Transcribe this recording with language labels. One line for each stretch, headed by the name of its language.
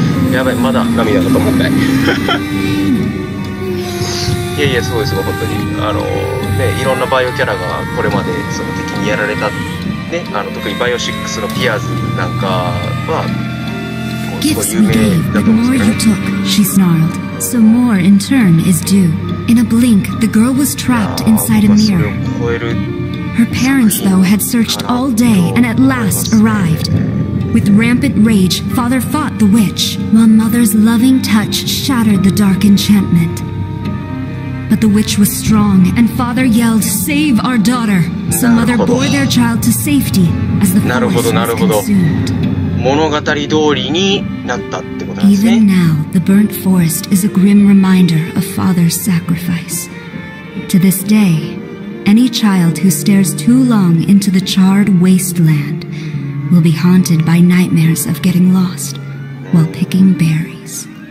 Japanese: やばい、まだ涙が止まんない。いやいや、そうですよ、本当にね、いろんなバイオキャラがこれまでその敵にやられた、ね、特にバイオ6のピアーズなんかはすごい有名だと思うんですけどね。
English: She snarled. So more in turn is due. In a blink, the girl was trapped inside a mirror. Her parents, though, had searched all day and at last arrived. With rampant rage, father fought the witch, while mother's loving touch shattered the dark enchantment. But the witch was strong, and father yelled, "Save our daughter!" So mother bore their child to safety as the forest was consumed.
Japanese: 物語通りになったってことなんですね。
English: Even now, the burnt forest is a grim reminder of father's sacrifice. To this day, any child who stares too long into the charred wasteland will be haunted by nightmares of getting lost while picking berries.